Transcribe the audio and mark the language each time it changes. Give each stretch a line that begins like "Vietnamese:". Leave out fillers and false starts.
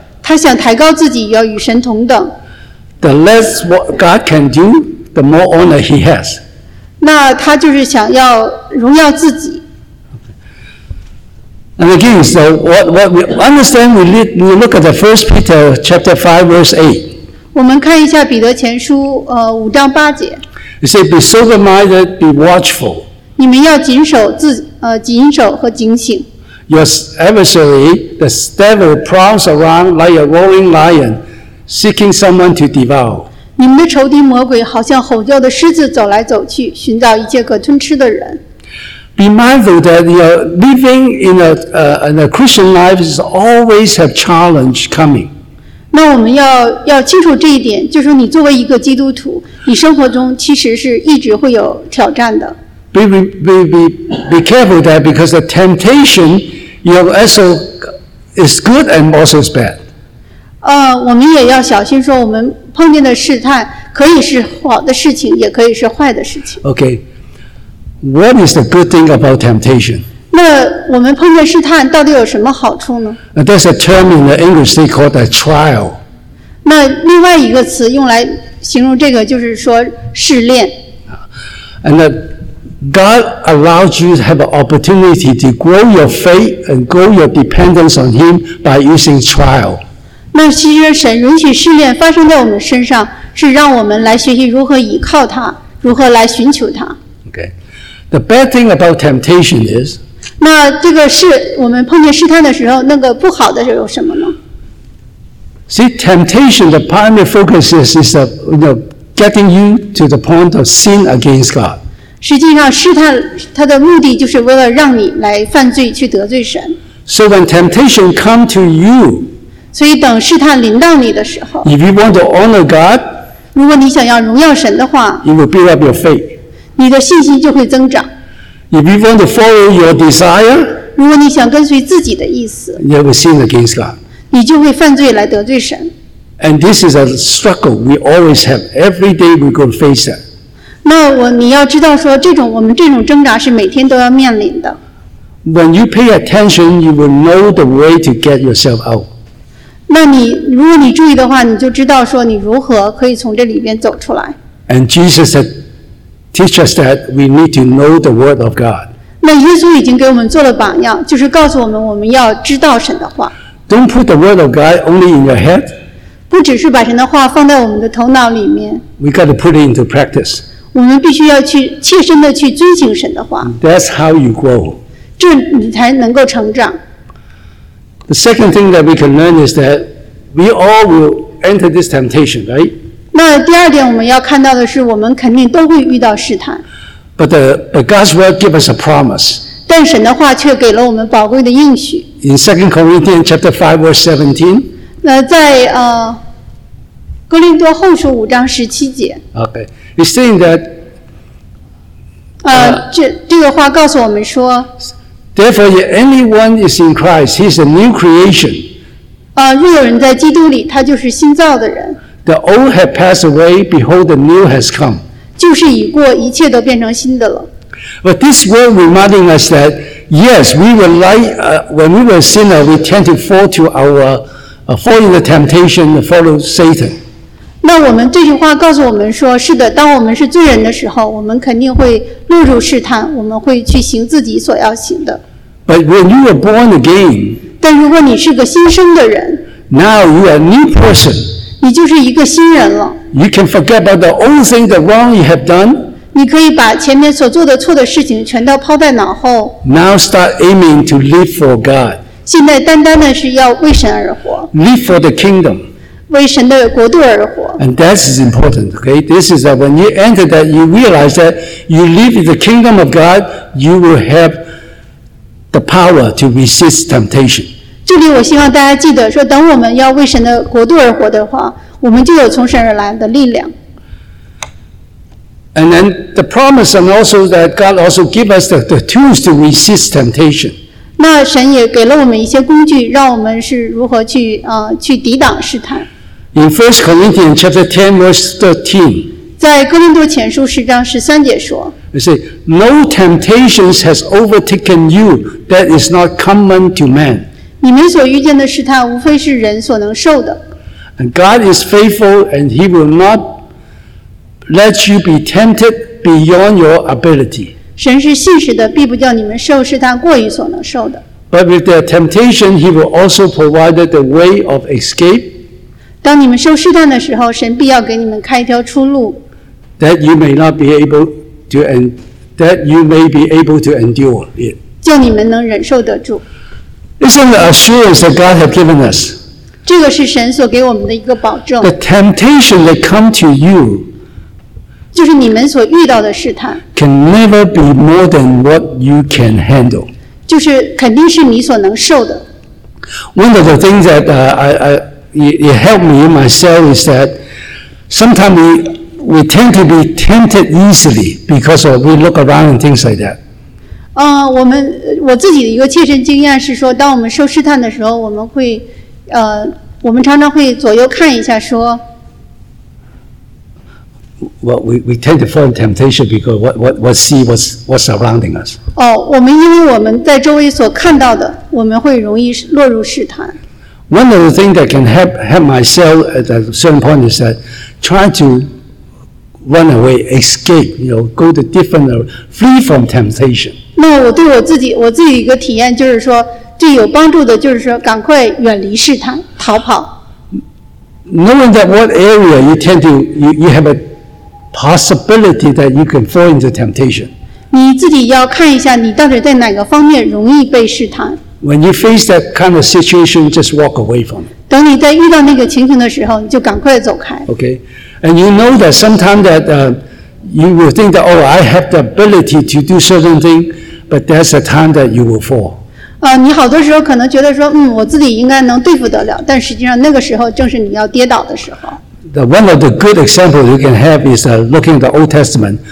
Chinese: 他想抬高自己，要与神同等。
English: The less what God can do, the more honor he has.
Chinese: 那他就是想要荣耀自己。
English: And again, so what we understand, we look at the First Peter chapter 5, verse 8.
Chinese: 我们看一下彼得前书五章八节。
English: He said, "Be sober-minded, be watchful."
Chinese: 你们要谨守和警醒。
English: Your adversary, the devil, prowls around like a roaring lion, seeking someone to devour.
Chinese: 你们的仇敌魔鬼好像吼叫的狮子走来走去，寻找一切可吞吃的人。
English: Be mindful that you're living in a Christian life is always have challenge coming.
Chinese: 那我们要清楚这一点，就是你作为一个基督徒，你生活中其实是一直会有挑战的。
English: Be careful that because the temptation you also is good and also is bad.
Chinese: 我们也要小心说，我们碰见的试探可以是好的事情，也可以是坏的事情。
English: Okay, what is the good thing about temptation?
Chinese: 那我们碰见试探到底有什么好处呢？
English: There's a term in the English they call a trial.
Chinese: 那另外一个词用来形容这个就是说试炼。
English: And God allows you to have an opportunity to grow your faith and grow your dependence on Him by using trial.
Chinese: 那其实神允许试炼发生在我们身上，是让我们来学习如何依靠他，如何来寻求他。
English: Okay. The bad thing about temptation is,
Chinese: 那这个是我们碰见试探的时候，那个不好的是有什么呢？
English: See, temptation, the primary focus is getting you to the point of sin against God.
Chinese: 实际上试探它的目的就是为了让你来犯罪，去得罪神。
English: So when temptation comes to you,
Chinese: 所以等试探临到你的时候，
English: if you want to honor God,
Chinese: 如果你想要荣耀神的话，
English: you will build up your faith.
Chinese: 你的信心就会增长。
English: If you want to follow your desire,
Chinese: 如果你想跟随自己的意思，
English: you will sin against God.
Chinese: 你就会犯罪来得罪神。
English: And this is a struggle we always have. Every day we go face it.
Chinese: 那你要知道说，我们这种挣扎是每天都要面临的。
English: When you pay attention, you will know the way to get yourself out.
Chinese: 那如果你注意的话，你就知道说你如何可以从这里边走出来。
English: And Jesus said,Teach us that we need to know the word of God.
Chinese: 那耶稣已经给我们做了榜样，就是告诉我们我们要知道神的话。
English: Don't put the word of God only in your head.
Chinese: 不只是把神的话放在我们的头脑里面。
English: We got to put it into practice.
Chinese: 我们必须要去切身的去遵行神的话。
English: That's how you grow.
Chinese: 这你才能够成长。
English: The second thing that we can learn is that we all will enter this temptation, right?
Chinese: 那第二点我们要看到的是，我们肯定都会遇到试探。
English: But God's word gives us a promise.
Chinese: 但神的话却给了我们宝贵的应许。
English: In 2 Corinthians chapter 5 verse 17.
Chinese: 那在哥林多后书五章十七节。
English: Okay, it's saying that.
Chinese: 这个话告诉我们说。
English: Therefore, if anyone is in Christ, he is a new creation.
Chinese: 若有人在基督里，他就是新造的人。
English: The old had passed away, behold, the new has come.
Chinese: 就是已过，一切都变成新的了。
English: But this word reminding us that, yes, we were like, when we were sinner, we tend to fall to fall in the temptation to follow Satan.
Chinese: 那我们这句话告诉我们说，是的，当我们是罪人的时候，我们肯定会落入试探，我们会去行自己所要行的。
English: But when you were born again,
Chinese: 但如果你是个新生的人，
English: now you are a new person.
Chinese: 你就是一个新人了。
English: You can forget about the old thing, the wrong you have done.
Chinese: 你可以把前面所做的错的事情全都抛在脑后。
English: Now start aiming to live for God.
Chinese: 现在单单的是要为神而活。
English: Live for the kingdom.
Chinese: 为神的国度而活。
English: And that is important, okay? This is that when you enter that, you realize that you live in the kingdom of God, you will have the power to resist temptation.
Chinese: 这里我希望大家记得说，等我们要为神的国度而活的话，我们就有从神而来的力量。
English: And then the promise and also that God also give us the tools to resist temptation.
Chinese: 那神也给了我们一些工具，让我们是如何去去抵挡试探。
English: In 1 Corinthians chapter 10 verse 13.
Chinese: 在哥林多前书十章十三节说。
English: He said, "No temptations has overtaken you that is not common to man."
Chinese: 你们所遇见的试探，无非是人所能受的。
English: And God is faithful, and He will not. Let you be tempted beyond your ability.
Chinese: 神是信实的，必不叫你们受试探过于所能受的。
English: But with the temptation, He will also provide the way of escape.
Chinese: 当你们受试探的时候，神必要给你们开一条出路。
English: That you may not be able to that you may be able to endure it.
Chinese: 叫你们能忍受得住。
English: Isn't the assurance that God has given us?
Chinese: 这个是神所给我们的一个保证。
English: The temptation that come to you.
Chinese: 就是你们所遇到的试探
English: can never be more than what you can handle.
Chinese: 就是肯定是你所能受的。
English: One of the things that it helped me myself is that sometimes we tend to be tempted easily because of we look around and things like that.
Chinese: 我自己的一个切身经验是说，当我们受试探的时候，我们会我们常常会左右看一下说。
English: Well, we tend to fall in temptation because what see what's surrounding us.
Chinese: Oh, 我们因为我们在周围所看到的，我们会容易落入试探。
English: One of the things that can help myself at a certain point is that try to run away, escape, you know, go to different, flee from temptation.
Chinese: 那我对我自己一个体验就是说，最有帮助的就是说，赶快远离试探，逃跑。
English: Knowing that what area you tend to you have a possibility that you can fall into temptation.
Chinese: 你自己要看一下你到底在哪个方面容易被试探。
English: When you face that kind of situation, just walk away from it.
Chinese: 等你在遇到那个情形的时候，你就赶快走开。
English: Okay, and you know that sometimes that you will think that oh, I have the ability to do certain things, but that's the time that you will fall.
Chinese: 你好多时候可能觉得说，我自己应该能对付得了，但实际上那个时候正是你要跌倒的时候。
English: One of the good examples you can have is looking at the Old Testament.